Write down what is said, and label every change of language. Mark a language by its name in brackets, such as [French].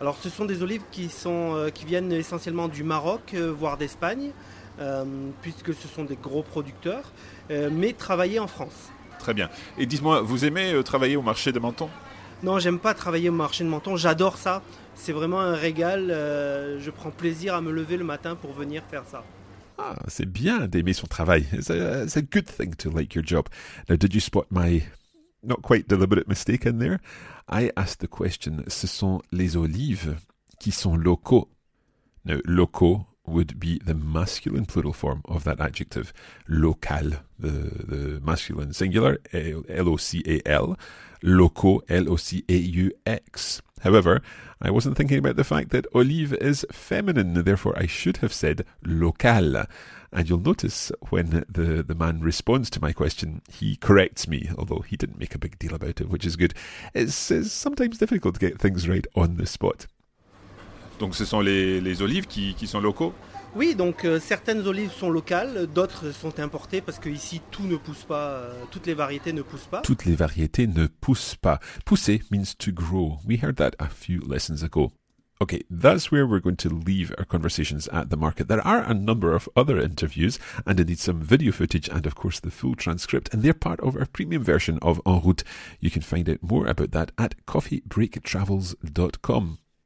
[French] Alors ce sont des olives qui viennent essentiellement du Maroc, voire d'Espagne, puisque ce sont des gros producteurs, mais travaillées en France. Très bien. Et dites-moi, vous aimez travailler au marché de Menton ? Non, j'aime pas travailler au marché de Menton, j'adore ça. C'est vraiment un régal, je prends plaisir à me lever le matin pour venir faire ça. Ah, c'est bien d'aimer son travail. [English] It's a good thing to like your job. Now, did you spot my... not quite deliberate mistake in there. I asked the question, ce sont les olives qui sont locaux. Now, locaux would be the masculine plural form of that adjective. Local, the masculine singular, L-O-C-A-L. Locaux, L-O-C-A-U-X. However, I wasn't thinking about the fact that olive is feminine, therefore I should have said local. And you'll notice when the man responds to my question, he corrects me, although he didn't make a big deal about it, which is good. It's sometimes difficult to get things right on the spot. [French] Donc ce sont les olives qui sont locaux ? Oui, donc certaines olives sont locales, d'autres sont importées parce qu'ici tout ne pousse pas, toutes les variétés ne poussent pas. Toutes les variétés ne poussent pas. [English] Pousser means to grow. We heard that a few lessons ago. Okay, that's where we're going to leave our conversations at the market. There are a number of other interviews and indeed some video footage and of course the full transcript, and they're part of our premium version of En Route. You can find out more about that at coffeebreaktravels.com.